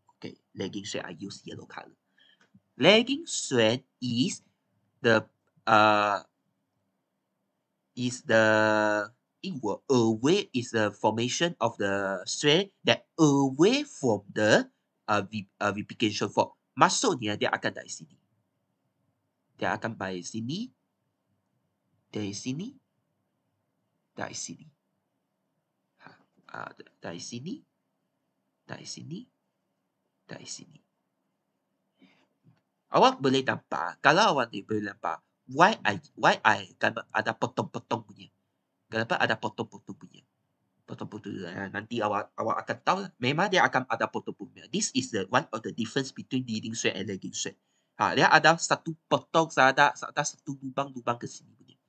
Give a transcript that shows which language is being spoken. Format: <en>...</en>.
<en>Okay, lagging strand, I use yellow color. Lagging strand is the formation of the strand that away from the replication fork.</en> <ms>Maksudnya, dia akan dari sini. Dia akan dari sini. Dari sini. Dari sini. Dari sini. Dari sini. Dari sini. Awak boleh nampak, kalau awak boleh nampak, why ada potong-potong punya. kenapa ada potong-potong punya. Potong-potong, nanti awak akan tahu. Memang dia akan ada potong-potong punya.</ms> <en>This is the one of the difference between leading strain and lagging strain.</en> <ms>Ha, dia ada satu potong, ada satu lubang-lubang ke sini punya.</ms>